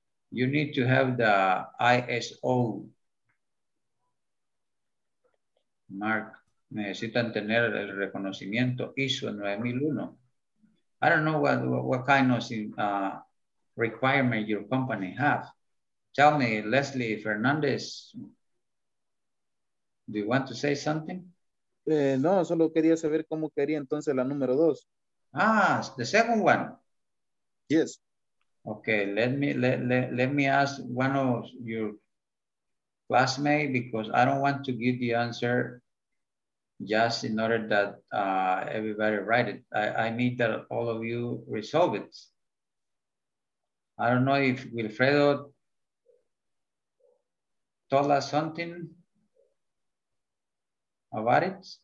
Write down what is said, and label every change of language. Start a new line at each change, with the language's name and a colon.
English: You need to have the ISO mark.
Spanish: Necesitan tener el reconocimiento ISO 9001.
English: I don't know what kind of requirement your company have. Tell me, Leslie Fernandez, do you want to say something?
Spanish: No, solo quería saber cómo quería entonces la número dos.
English: Ah, the second one. Yes. Okay, let me ask one of your classmates, because I don't want to give the answer just in order that everybody write it. I need that all of you resolve it. I don't know if Wilfredo told us something about it.